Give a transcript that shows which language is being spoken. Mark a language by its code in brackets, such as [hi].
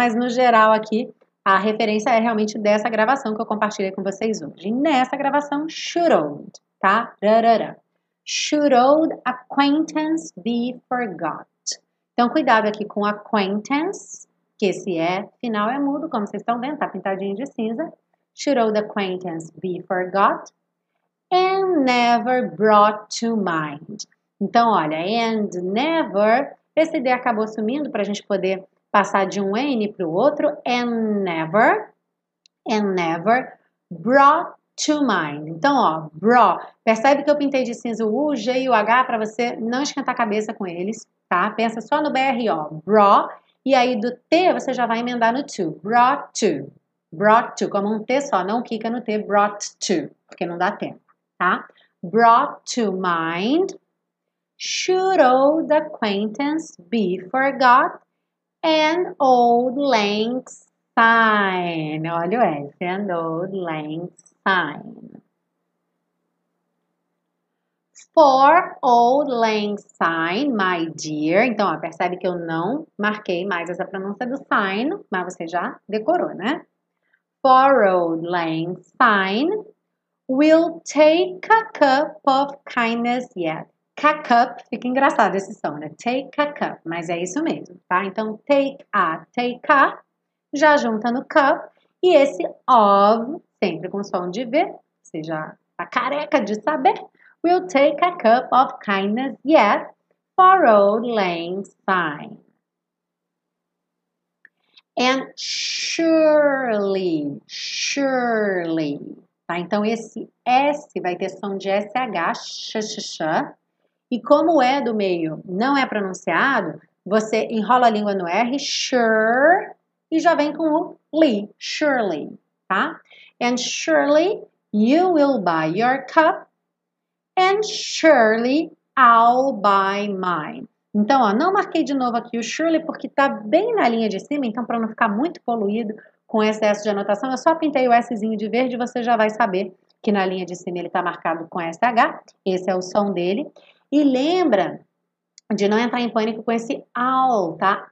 [pt] Mas no geral aqui, a referência é realmente dessa gravação que eu compartilhei com vocês hoje. Nessa gravação, [en] should-old, [pt] tá? Rarara. [en] Should-old acquaintance be forgot? [pt] Então, cuidado aqui com acquaintance, que esse é, final é mudo, como vocês estão vendo, tá pintadinho de cinza. [en] Should old acquaintance be forgot and never brought to mind. [pt] Então, olha, [en] and never, [pt] esse D acabou sumindo pra gente poder passar de um N pro outro. [en] And never brought to mind. [pt] Então, ó, brought. Percebe que eu pintei de cinza o U, G e o H pra você não esquentar a cabeça com eles, tá? Pensa só no BR, ó, brought. E aí, do T, você já vai emendar no to. [en] Brought to. Brought to. [pt] Como um T só, não quica no T. [en] Brought to. [pt] Porque não dá tempo, tá? [en] Brought to mind. Should old acquaintance be forgot? And old lang syne. [pt] Olha o S. [en] And old lang syne. For old lang syne, my dear. [pt] Então, ó, percebe que eu não marquei mais essa pronúncia do sign, mas você já decorou, né? [en] For old lang syne, we'll take a cup of kindness yet. [pt] Cup, fica engraçado esse som, né? Take a cup, mas é isso mesmo, tá? Então, [en] take a, [pt] já junta no cup. E esse of, sempre com som de V, você já tá careca de saber. [en] We'll take a cup of kindness yet for old lang syne. And surely, surely. [pt] Tá? Então, esse S vai ter som de SH, sh, sh, sh. E como o E do meio não é pronunciado, você enrola a língua no R, sure, e já vem com o li, surely. Tá? [en] And surely, you will buy your cup. And surely, I'll buy mine. [pt] Então, ó, não marquei de novo aqui o surely, porque tá bem na linha de cima. Então, para não ficar muito poluído com excesso de anotação, eu só pintei o Szinho de verde e você já vai saber que na linha de cima ele tá marcado com SH. Esse é o som dele. E lembra de não entrar em pânico com esse I'll, tá?